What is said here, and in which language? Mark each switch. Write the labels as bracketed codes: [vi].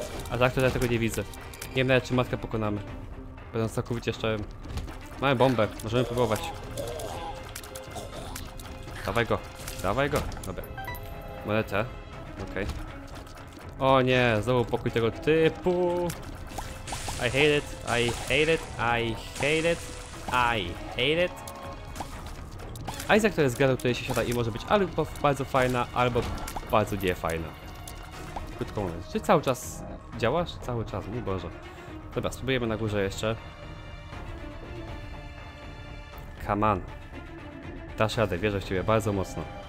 [pl] A tak to ja tego nie widzę. Nie wiem nawet, czy matkę pokonamy. Będąc całkowicie szczerym. Mamy bombę, możemy próbować. Dawaj go, dawaj go. Dobra. Monetę. Okej. O nie, znowu pokój tego typu. [en] I hate it, I hate it, I hate it, I hate it. [pl] Isaac to jest gra, która się siada i może być albo bardzo fajna, albo bardzo niefajna. Krótko mówiąc, czy cały czas działasz? Cały czas, mój Boże. Dobra, spróbujemy na górze jeszcze. [en] Come on. [pl] Dasz radę, wierzę w ciebie bardzo mocno.